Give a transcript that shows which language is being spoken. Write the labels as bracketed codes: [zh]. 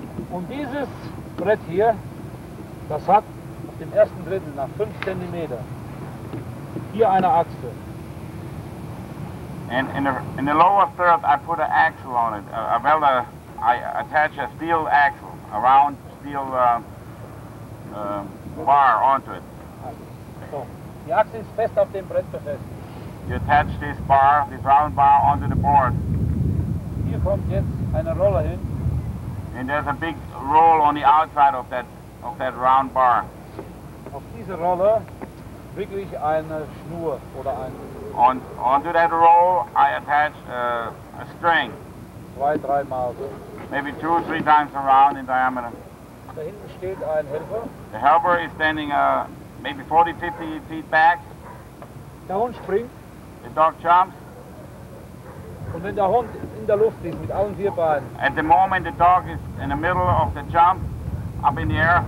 [de] Und dieses Brett hier, das hat im ersten Drittel nach 5 cm hier eine Achse. [en] And in the lower third I put an axle on it. I attach a steel axle, a round steel bar onto it. [de] So, die Achse ist fest auf dem Brett befestigt. [en] You attach this bar, this round bar onto the board. [de] Hier kommt jetzt eine Rolle hin. [en] And there's a big roll on the outside of that round bar. [de] Auf diese Rolle wickle ich eine Schnur oder ein. [en] Onto that roll I attach a string. [de] Zwei, drei Mal so. [en] Maybe two or three times around in diameter. [de] Da hinten steht ein Helfer. [en] The helper is standing maybe 40, 50 feet back. [de] Der Hund springt. [en] The dog jumps. [de] Und wenn der Hund in der Luft ist mit allen vier Beinen. [en] At the moment the dog is in the middle of the jump, up in the air.